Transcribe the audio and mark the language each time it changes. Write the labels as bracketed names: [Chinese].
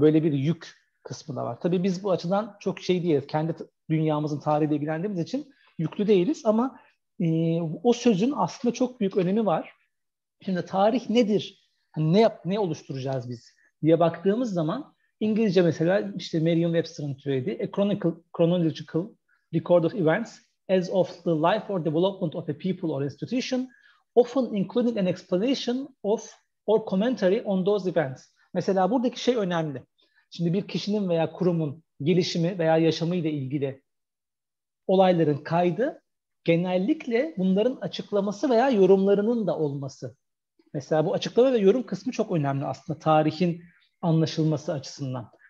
[Turkish] Böyle bir yük kısmı da var. Tabii biz bu açıdan çok şey değiliz. Kendi dünyamızın tarihiyle ilgilendiğimiz için yüklü değiliz ama o sözün aslında çok büyük önemi var. Şimdi tarih nedir? Hani ne oluşturacağız biz diye baktığımız zaman İngilizce mesela işte Merriam-Webster'ın türedi. [English] Chronological record of events as of the life or development of a people or institution, often including an explanation of or commentary on those events. [Turkish] Mesela buradaki şey önemli. Şimdi bir kişinin veya kurumun gelişimi veya yaşamıyla ilgili olayların kaydı genellikle bunların açıklaması veya yorumlarının da olması. Mesela bu açıklama ve yorum kısmı çok önemli aslında tarihin anlaşılması açısından.